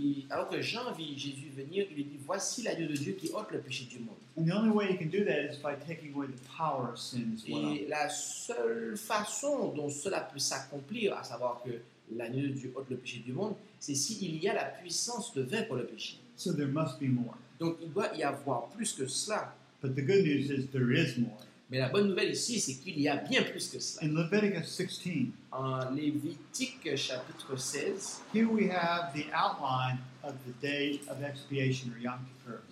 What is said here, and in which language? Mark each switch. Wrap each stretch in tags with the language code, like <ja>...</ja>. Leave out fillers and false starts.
<fr>Alors que Jean vit Jésus venir, il dit, "Voici l'agneau de Dieu qui ôte le péché du monde."</fr> <en>And the only way he can do that is by taking away the power of sin as well.</en> <fr>Et la seule façon dont cela peut s'accomplir, à savoir que l'agneau de Dieu ôte le péché du monde, c'est s'il y a la puissance de vaincre le péché.</fr> <en>So there must be more.</en> <fr>Donc il doit y avoir plus que cela.</fr> <en>But the good news is there is more.</en> <fr>Mais la bonne nouvelle ici, c'est qu'il y a bien plus que cela.</fr> <en>In Leviticus 16,</en> <fr>en Lévitique chapitre 16,</fr> <en>here we have the outline of the day of expiation or Yom Kippur.</en>